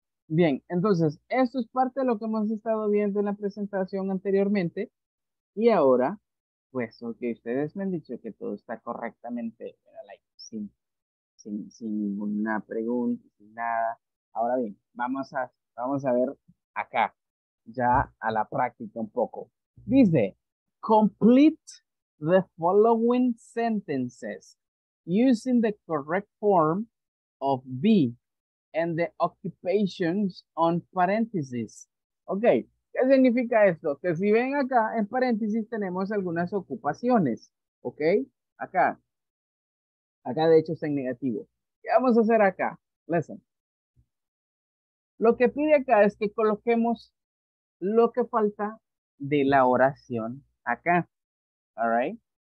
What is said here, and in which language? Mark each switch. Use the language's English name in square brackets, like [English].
[Spanish] Bien, entonces, esto es parte de lo que hemos estado viendo en la presentación anteriormente. Y ahora, pues, ok, ustedes me han dicho que todo está correctamente, like, sin ninguna pregunta, sin nada. Ahora bien, vamos a ver acá, ya a la práctica un poco. [English] Dice, complete the following sentences using the correct form of be and the occupations on parentheses. [Spanish] Ok. ¿Qué significa esto? Que si ven acá, en paréntesis, tenemos algunas ocupaciones. ¿Ok? Acá. Acá, de hecho, está en negativo. ¿Qué vamos a hacer acá? Listen. Lo que pide acá es que coloquemos lo que falta de la oración acá. ¿All right?